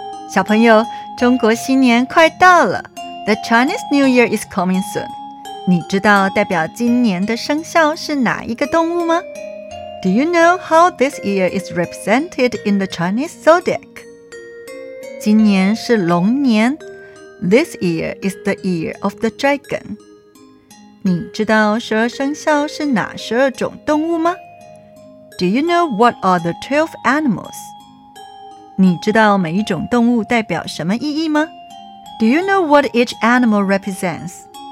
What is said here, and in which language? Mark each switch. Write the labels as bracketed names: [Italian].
[Chinese] 小朋友，中国新年快到了。 [English] The Chinese New Year is coming soon. [Chinese] 你知道代表今年的生肖是哪一个动物吗？ [English] Do you know how this year is represented in the Chinese zodiac? [Chinese] 今年是龙年。 [English] This year is the year of the dragon. [Chinese] 你知道十二生肖是哪十二种动物吗？ [English] Do you know what are the 12 animals? [Chinese] 你知道每一种动物代表什么意义吗? [English] Do you know what each animal represents?